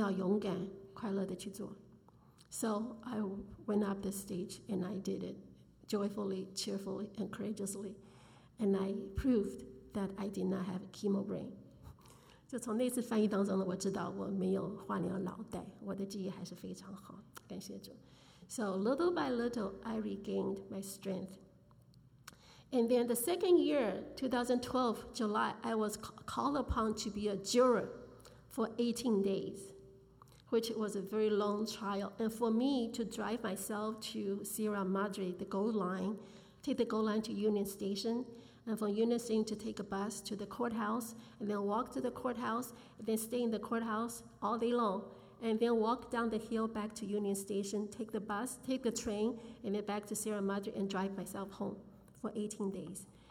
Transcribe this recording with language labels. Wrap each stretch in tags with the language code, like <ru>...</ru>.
<zh>就是在上台之前呢，忽然有一个声音告诉我说，你是做讨上帝喜悦的事情哈，你要勇敢快乐的去做。</zh> <en>So I went up the stage and I did it joyfully, cheerfully, and courageously. And I proved that I did not have a chemo brain.</en> <zh>就从那次翻译当中呢，我知道我没有化疗脑袋，我的记忆还是非常好，感谢主。</zh> <en>So little by little, I regained my strength. And then the second year, 2012, July, I was called upon to be a juror for 18 days. Which was a very long trial. And for me to drive myself to Sierra Madre, the Gold Line, take the Gold Line to Union Station, and from Union Station to take a bus to the courthouse, and then walk to the courthouse, and then stay in the courthouse all day long, and then walk down the hill back to Union Station, take the bus, take the train, and then back to Sierra Madre and drive myself home for 18 days.</en>